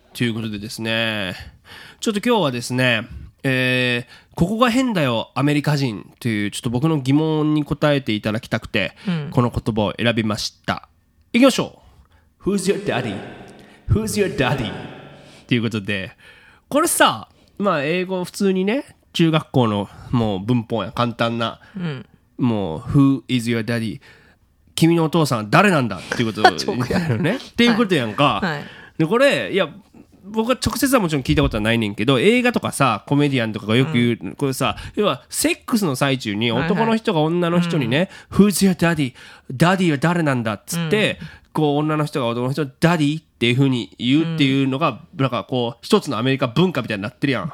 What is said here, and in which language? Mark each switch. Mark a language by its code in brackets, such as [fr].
[ja] ということでですね、ちょっと今日はですね、ここが変だよアメリカ人というちょっと僕の疑問に答えていただきたくて、うん、この言葉を選びました。いきましょう。 [en] Who's your daddy? Who's your daddy? [ja] ということで、これさ、まあ英語普通にね、中学校のもう文法や簡単な、うん、 [en] もう Who is your daddy? [ja] 君のお父さんは誰なんだっていうことやるねっていうことやんか、はいはい、でこれ、いや僕は直接はもちろん聞いたことはないねんけど、映画とかさ、コメディアンとかがよく言う、うん、これさ、要はセックスの最中に男の人が女の人にね、はいはい、 [en] Who's your daddy? [ja] Daddy は誰なんだっつって、うん、こう女の人が男の人ダディっていう風に言うっていうのが、うん、なんかこう一つのアメリカ文化みたいになってるやん。